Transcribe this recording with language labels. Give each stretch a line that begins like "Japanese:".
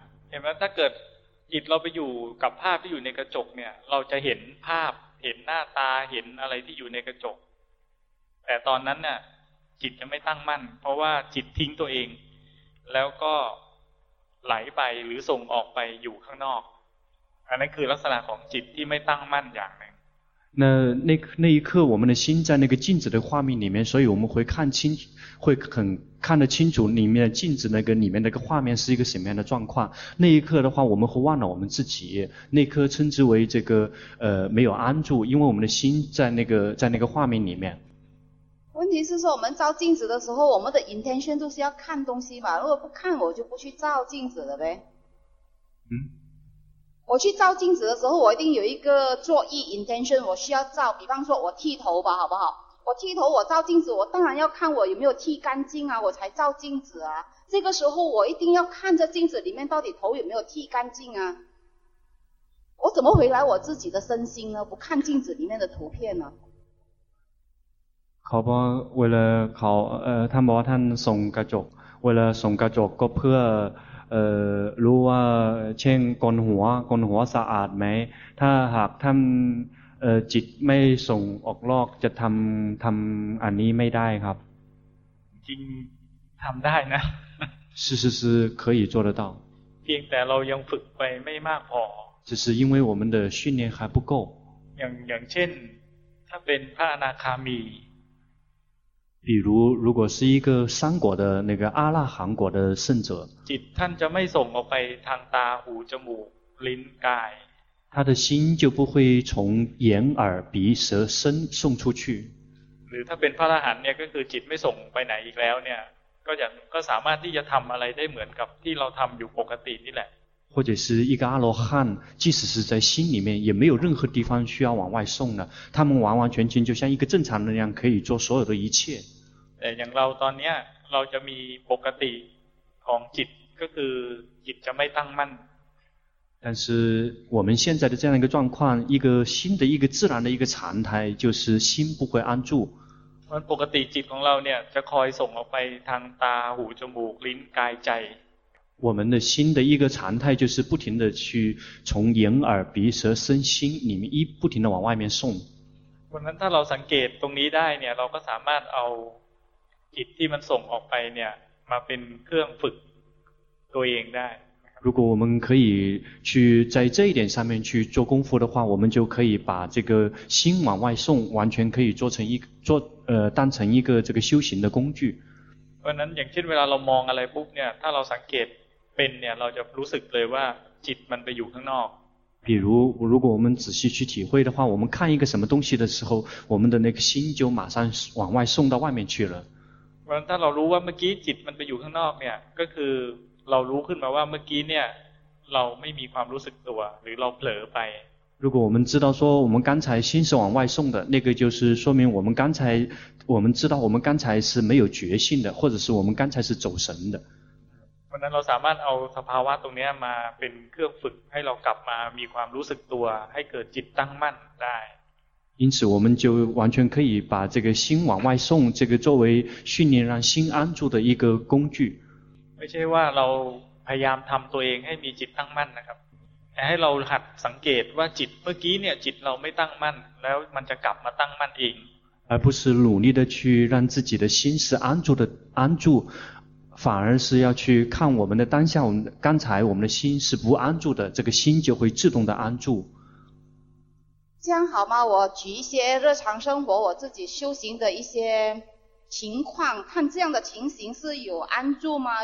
Thai: เห็นไหมถ้าเกิดจิตเราไปอยู่กับภาพที่อยู่ในกระจกเนี่ยเราจะเห็นภาพเห็นหน้าตาเห็นอะไรที่อยู่ในกระจกแต่ตอนนั้นเนี่ย จิตจะไม่ตั้งมั่นเพราะว่าจิตทิ้งตัวเองแล้วก็ไหลไปหรือส่งออกไปอยู่ข้างนอกอันนั้นคือลักษณะของจิตที่ไม่ตั้งมั่นอย่างหนึ่ง
Chinese: 那一刻我们的心在那个镜子的画面里面所以我们会看清会很看得清楚里面镜子那个里面那个画面是一个什么样的状况那一刻的话我们会忘了我们自己那一刻称之为这个没有安住因为我们的心在那个画面里面问题是说我们照镜子的时候我们的 intention 都是要看东西嘛如果不看我就不去照镜子了呗嗯我去照镜子的时候我一定有一个作意 intention 我需要照比方说我剃头吧好不好我剃头我照镜子我当然要看我有没有剃干净啊我才照镜子啊这个时候我一定要看着镜子里面到底头有没有剃干净啊我怎么回来我自己的身心呢不看镜子里面的图片呢考官为了考他们把他们送
Thai: กระจก
Chinese: 为了送
Thai: กระจก ก็เพื่อรู้ว่าเช่นกนหัวกนหัวสะอาดไหมถ้าหากท่านจิตไม่ส่งออกลอกจะทำอันนี้ไม่ได้ครับ จริงทำได้นะ
Chinese: 是可以做得到
Thai: เพียงแต่เรายังฝึกไปไม่มากพอ
Chinese: 只是因为我们的训练还不够
Thai: อย่างเช่นถ้าเป็นพระอนาคามี
Chinese: 比如如果是一个三果的那个阿拉含果的圣者
Thai: จิตท่านจะไม่ส่งออกไปทางตาหูจมูกลิ้นกาย
Chinese: 他的心就不会从眼耳鼻舌身送出去
Thai: หรือถ้าเป็นพระอรหันต์เนี่ยก็คือจิตไม่ส่งไปไหนอีกแล้วเนี่ยก็สามารถที่จะทำอะไรได้เหมือนกับที่เราทำอยู่ปกตินี่แหละ
Chinese: 或者是一个阿罗汉即使是在心里面也没有任何地方需要往外送的他们完完全全就像一个正常人一样可以做所有的一切
Thai: แต่อย่างเราตอนนี้เราจะมีปกติของจิตก็คือจิตจะไม่ตั้งมั่น
Chinese: 但是我们现在的这样一个状况一个新的一个自然的一个常态就是心不会安住
Thai: มันปกติจิตของเราเนี่ยจะคอยส่งออกไปทางตาหูจมูกลิ้นกายใจ
Chinese: 我们的心的一个常态就是不停的去从眼耳鼻舌身心里面一不停的往外面送
Thai: เพราะนั้นถ้าเราสังเกตตรงนี้ได้เนี่ยเราก็สามารถเอาจิตที่มันส่งออกไปเนี่ยมาเป็นเครื่องฝึกตัวเองได้
Chinese: 如果我们可以去在这一点上面去做功夫的话我们就可以把这个心往外送完全可以当成一个这个修行的工具
Thai: เพราะนั้นอย่างเช่นเวลาเรามองอะไรปุ๊บเนี่ยถ้าเราสังเกตเป็นเนี่ยเราจะรู้สึกเลยว่าจิตมันไปอยู่ข้างนอก
Chinese: 比如如果我们仔细去体会的话我们看一个什么东西的时候我们的那个心就马上往外送到外面去了
Thai: เพราะถ้าเรารู้ว่าเมื่อกี้จิตมันไปอยู่ข้างนอกเนี่ยก็คือเรารู้ขึ้นมาว่าเมื่อกี้เนี่ยเราไม่มีความรู้สึกตัวหรือเราเผลอไป
Chinese: 如果我们知道说我们刚才心是往外送的那个就是说明我们知道我们刚才是没有觉性的或者是我们刚才是走神的
Thai: เพราะนั้นเราสามารถเอาสภาวะตรงนี้มาเป็นเครื่องฝึกให้เรากลับมามีความรู้สึกตัวให้เกิดจิตตั้งมั่นได้
Chinese: 因此我们就完全可以把这个心往外送这个作为训练让心安住的一个工具
Thai: ไม่ใช่ว่าเราพยายามทำตัวเองให้มีจิตตั้งมั่นนะครับแต่ให้เราหัดสังเกตว่าจิตเมื่อกี้เนี่ยจิตเราไม่ตั้งมั่นแล้วมันจะกลับมาตั้งมั่นเอง
Chinese: 而不是努力的去让自己的心是安住的安住反而是要去看我们的当下刚才我们的心是不安住的这个心就会自动的安住这样好吗？我举一些日常生活我自己修行的一些情况，看这样的情形是有安住吗？